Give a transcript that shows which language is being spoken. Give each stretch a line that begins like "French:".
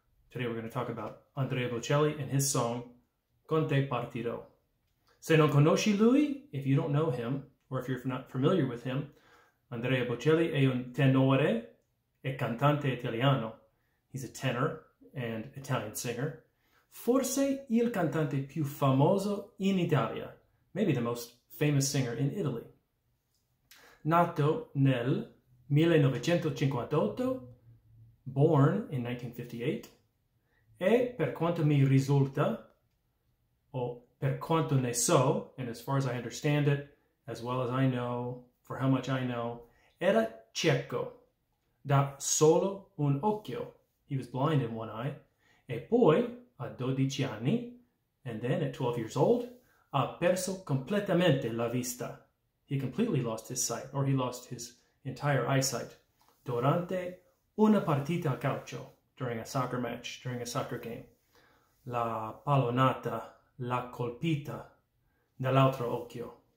English: Today we're going to talk about Andrea Bocelli and his song, Con te Partirò.
Italian: Se non conosci lui,
English: if you don't know him, or if you're not familiar with him,
Italian: Andrea Bocelli è un tenore e cantante italiano.
English: He's a tenor and Italian singer.
Italian: Forse il cantante più famoso in Italia.
English: Maybe the most famous singer in Italy.
Italian: Nato nel 1958,
English: born in 1958,
Italian: e per quanto mi risulta, per quanto ne so,
English: and as far as I understand it, as well as I know, for how much I know,
Italian: era cieco, da solo un occhio.
English: He was blind in one eye.
Italian: E poi, a 12 anni,
English: and then at 12 years old,
Italian: ha perso completamente la vista.
English: He completely lost his sight, or he lost his entire eyesight,
Italian: durante una partita a calcio,
English: during a soccer match, during a soccer game.
Italian: La pallonata, la colpita nell'altro occhio.